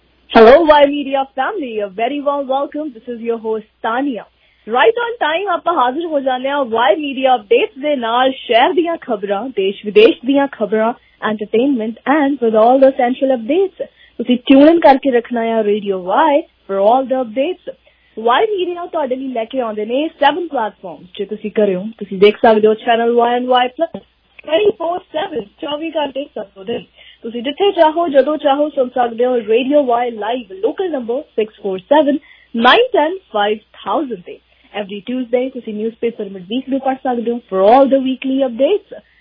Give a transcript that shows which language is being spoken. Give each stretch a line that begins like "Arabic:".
English: Hello Y Media family, a very warm welcome. This is your host Tania. Right on time
Punjabi: ਆਪਾਂ ਹਾਜ਼ਰ ਹੋ ਜਾਂਦੇ ਹਾਂ Y media updates ਦੇ ਨਾਲ, ਸ਼ਹਿਰ ਦੀਆਂ ਖਬਰਾਂ, ਦੇਸ਼ ਵਿਦੇਸ਼ ਦੀਆਂ ਖਬਰਾਂ,
English: Entertainment and with all the central updates.
Punjabi: ਤੁਸੀਂ
English: tune in
Punjabi: ਕਰਕੇ ਰੱਖਣਾ ਹੈ ਰੇਡੀਓ ਵਾਈ
English: For all the updates.
Punjabi: ਵਾਈ ਮੀਡੀਆ ਤੁਹਾਡੇ ਲਈ ਲੈ ਕੇ ਆਉਂਦੇ ਨੇ 7 ਪਲੇਟਫਾਰਮ ਜੇ ਤੁਸੀਂ ਕਰੇ ਹੋ। ਤੁਸੀਂ ਦੇਖ ਸਕਦੇ ਹੋ channel Y and Y plus 24/7 ਚੌਵੀ ਘੰਟੇ ਸਭ ਦਿਨ। ਤੁਸੀਂ ਜਿੱਥੇ ਚਾਹੋ ਜਦੋਂ ਚਾਹੋ ਸੁਣ ਸਕਦੇ ਹੋ radio Y live, local number 647-910-5000 ਤੇ।
English: Every Tuesday, you can see newspaper mid week
Punjabi: bhi pad sakde ho
English: for all the weekly updates.